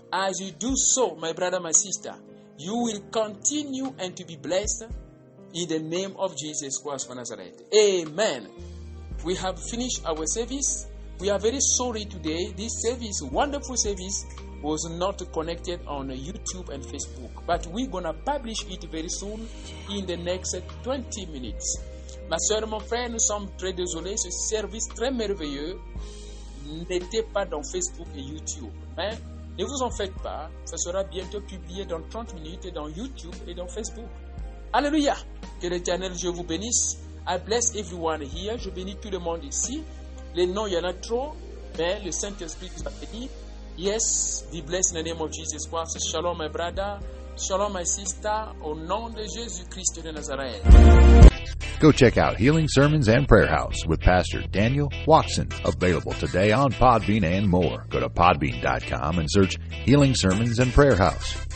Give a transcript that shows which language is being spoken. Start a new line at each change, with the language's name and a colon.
English: As you do so, my brother, my sister, you will continue and to be blessed in the name of Jesus Christ of Nazareth. Amen. We have finished our service. We are very sorry today. This service, wonderful service, was not connected on YouTube and Facebook. But we're going to publish it very soon in the next 20 minutes.
French: Ma soeur, mon frère, nous sommes très désolés. Ce service très merveilleux n'était pas dans Facebook et YouTube. Mais ne vous en faites pas. Ça sera bientôt publié dans 30 minutes dans YouTube et dans Facebook. Alléluia! Que l'Éternel Dieu vous bénisse.
English: I bless everyone here.
French: Je bénis tout le monde ici. Les noms, il y en a trop, mais le Saint-Esprit vous a béni.
English: Yes, be blessed in the name of Jesus Christ. Shalom, my brother. Shalom, my sister.
French: Au nom de Jésus-Christ de Nazareth.
English: Go check out Healing Sermons and Prayer House with Pastor Daniel Watson. Available today on Podbean and more. Go to podbean.com and search Healing Sermons and Prayer House.